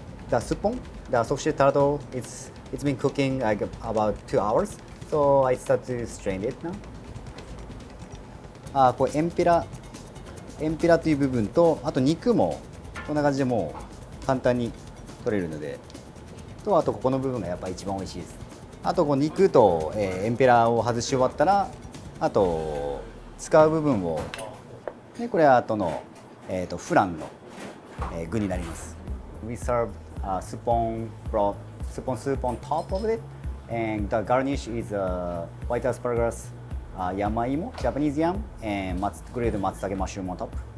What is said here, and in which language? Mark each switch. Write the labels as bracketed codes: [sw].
[en] The すっぽん, the associated turtle, it's been cooking like about 2 hours. So I start to strain it now. [ja] ああ、これエンピラという部分とあと肉もこんな感じでもう簡単に取れるので、とあとここの部分がやっぱ一番美味しいです。あとこう肉と、エンピラを外し終わったら、あと使う部分をね、これはあとの、フランの、具になります。 [en] We serve a spoon broth, spoon soup on top of it. And the garnish is white asparagus, yamaimo, Japanese yam, and grilled matsutake mushroom on top.